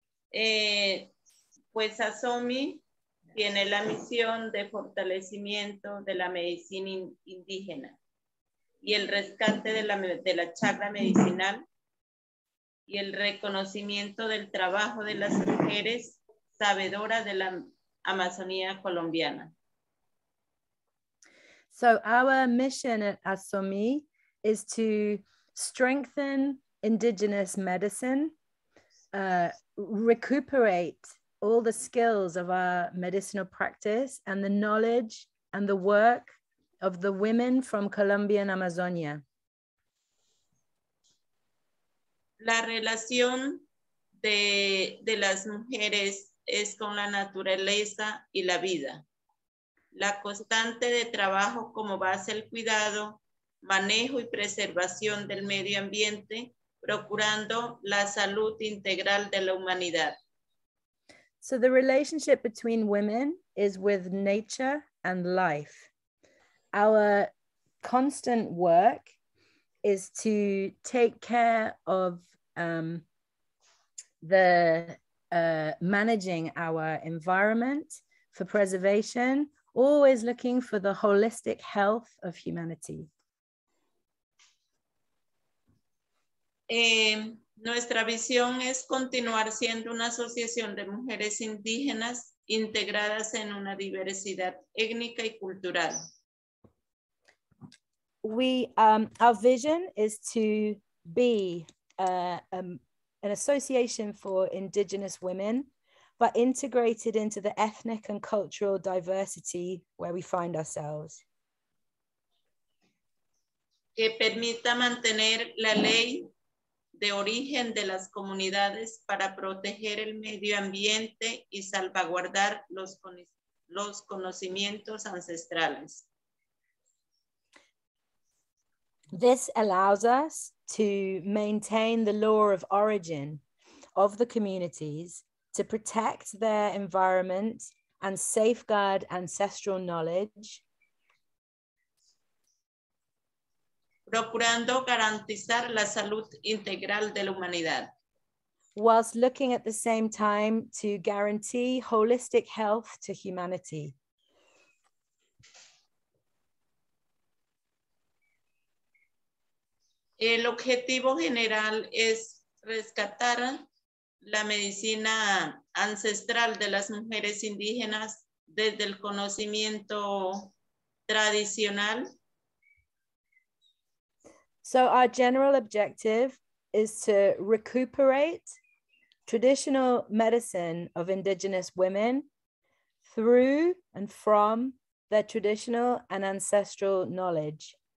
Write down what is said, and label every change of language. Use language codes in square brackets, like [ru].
[es] Pues ASOMI tiene la misión de fortalecimiento de la medicina indígena y el rescate de la charla medicinal y el reconocimiento del trabajo de las mujeres sabedora de la Amazonía colombiana. [en] So our mission at ASOMI is to strengthen indigenous medicine, recuperate all the skills of our medicinal practice and the knowledge and the work of the women from Colombian Amazonia. [es] La relación de las mujeres es con la naturaleza y la vida. La constante de trabajo como base el cuidado, manejo y preservación del medio ambiente, procurando la salud integral de la humanidad. [en] So the relationship between women is with nature and life. Our constant work is to take care of managing our environment for preservation, always looking for the holistic health of humanity. [es] Nuestra visión es continuar siendo una asociación de mujeres indígenas integradas en una diversidad étnica y cultural. [en] Our vision is to be an association for indigenous women, but integrated into the ethnic and cultural diversity where we find ourselves. [es] Que permita mantener la ley de origen de las comunidades para proteger el medio ambiente y salvaguardar los conocimientos ancestrales. [en] This allows us to maintain the law of origin of the communities to protect their environment and safeguard ancestral knowledge. [es] Procurando garantizar la salud integral de la humanidad. [en] Whilst looking at the same time to guarantee holistic health to humanity. [es] El objetivo general es rescatar la medicina ancestral de las mujeres indígenas desde el conocimiento tradicional. [en] So our general objective is to recuperate traditional medicine of indigenous women through and from their traditional and ancestral knowledge.